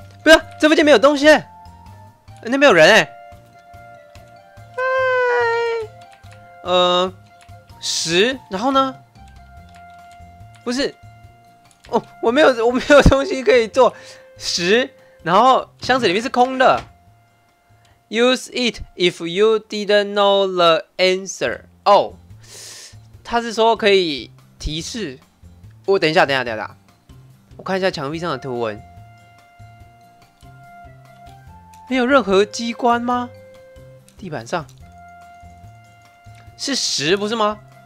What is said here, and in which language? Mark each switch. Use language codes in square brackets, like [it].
[zh] 不是，这附近没有东西，那边有人哎。嗨，十，然后呢？不是，我没有东西可以做。十，然后箱子里面是空的。 [en] Use it if you didn't know the answer. [zh] 哦、oh, ，他是说可以提示我。等一下，等一下，等一下。我看一下墙壁上的图文，没有任何机关吗？地板上是石不是吗？